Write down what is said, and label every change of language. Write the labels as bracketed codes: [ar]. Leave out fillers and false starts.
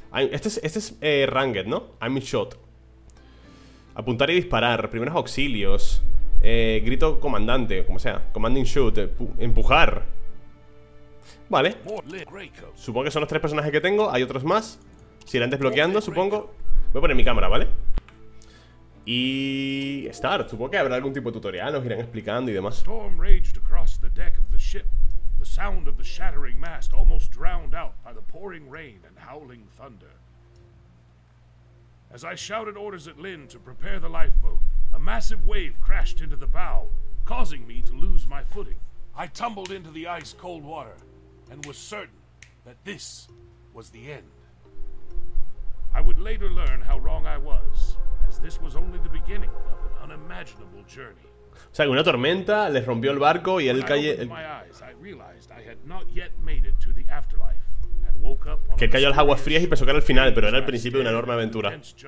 [es] Este es Ranged, ¿no? [en] I'm shot. [es] Apuntar y disparar, primeros auxilios, grito comandante, como sea, [en] commanding shoot, [es] empujar. Vale, supongo que son los tres personajes que tengo, hay otros más. Si irán desbloqueando, supongo. Voy a poner mi cámara, ¿vale? Y... start, supongo que habrá algún tipo de tutorial, nos irán explicando y demás. [en] Storm raged across the deck of the ship. The sound of the shattering mast almost drowned out by the pouring rain and howling thunder. As I shouted orders at Lin to prepare the lifeboat, a massive wave crashed into the bow, causing me to lose my footing. I tumbled into the ice-cold water, and was certain that this was the end. I would later learn how wrong I was, as this was only the beginning of an unimaginable journey. [es] O sea, una tormenta les rompió el barco y él cayó. [en] When I opened my eyes, I realized I had not yet made it to the afterlife. [es] Que cayó a las aguas frías y pensó que era el final, pero era el principio de una enorme aventura.